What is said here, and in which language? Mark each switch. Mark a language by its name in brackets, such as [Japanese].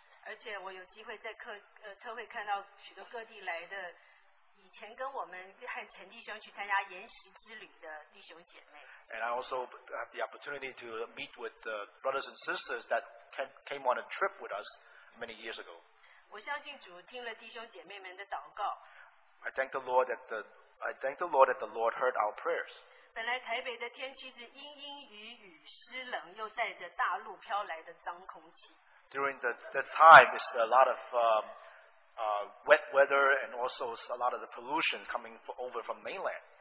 [English] And I also have the opportunity to meet with the brothers and sisters that came on a trip with us many years ago. I thank the Lord that the Lord heard our prayers. [Chinese] 本来台北的天气是阴阴雨雨湿冷又带着大陆飘来的脏空气。 [English] During the time, it's a lot of wet weather and also a lot of the pollution coming over from mainland.